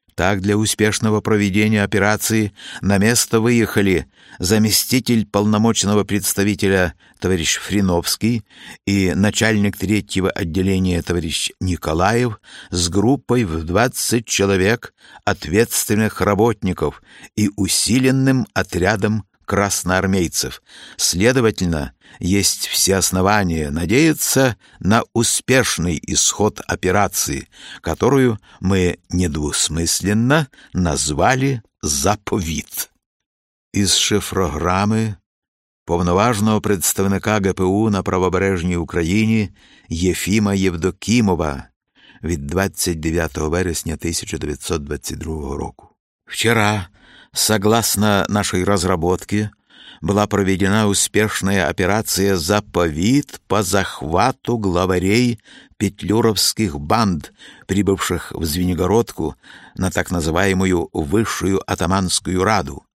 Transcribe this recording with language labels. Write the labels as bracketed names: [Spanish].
[Russian] Так, для успешного проведения операции на место выехали заместитель полномочного представителя товарищ Фриновский и начальник 3-го отделения товарищ Николаев с группой в 20 человек ответственных работников и усиленным отрядом красноармейцев. Следовательно, есть все основания надеяться на успешный исход операции, которую мы недвусмысленно назвали «Заповит». [Ukrainian] Из шифрограммы повноважного представника ГПУ на правобережній Україні Єфіма Євдокімова від 29 вересня 1922 року. [Russian] Вчера, согласно нашей разработке, была проведена успешная операция «Заповит» по захвату главарей петлюровских банд, прибывших в Звенигородку на так называемую Высшую Атаманскую Раду.